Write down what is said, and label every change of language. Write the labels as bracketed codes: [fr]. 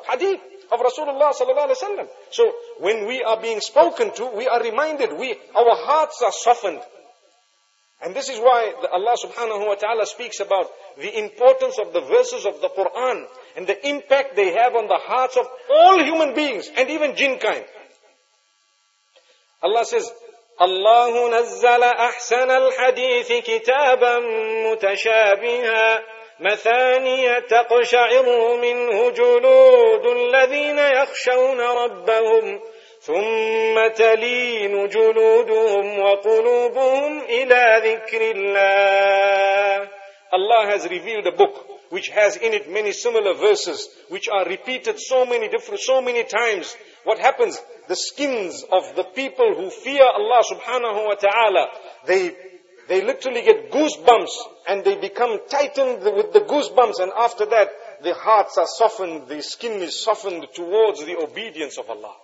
[en] Hadith of Rasulullah sallallahu alayhi wa sallam. So, when we are being spoken to, we are reminded, our hearts are softened. And this is why Allah subhanahu wa ta'ala speaks about the importance of the verses of the Quran and the impact they have on the hearts of all human beings and even jinn kind. Allah says, [ar] الله نزل أحسن الحديث كتابا متشابها مثانية تقشعر منه جلود الذين يخشون ربهم ثم تلين جلودهم وقلوبهم إلى ذكر الله. [en] Allah has revealed a book which has in it many similar verses which are repeated so many times. What happens? The skins of the people who fear Allah subhanahu wa ta'ala, they literally get goosebumps and they become tightened with the goosebumps, and after that the hearts are softened, the skin is softened towards the obedience of Allah.